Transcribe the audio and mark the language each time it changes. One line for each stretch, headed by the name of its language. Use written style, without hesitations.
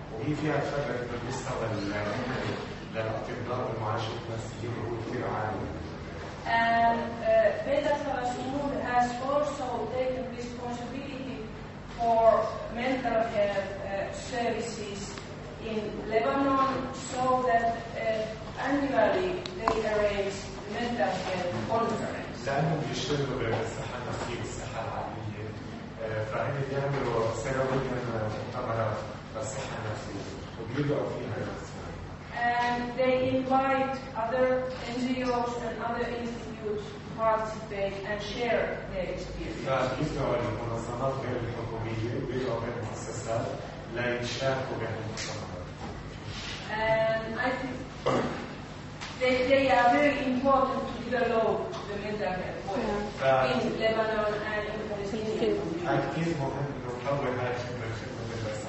English: And Beta-Savas Umud has also taken responsibility for mental health services in Lebanon, so that annually they arrange mental health conferences.
Arabic: لأنهم بيشتغلوا بالصحة النفسية والصحة العقلية فهم بيعملوا سنوية مؤتمرة للصحة النفسية وبيدعوا فيها للصحة
English: And they invite other NGOs and other institutes to participate and share their experience.
Arabic: فبيدعوا المنظمات غير الحكومية وبيدعوا غير المؤسسات ليشاركوا بهذه المؤتمرات.
English: And I think they are very important to develop the mental health in Lebanon and in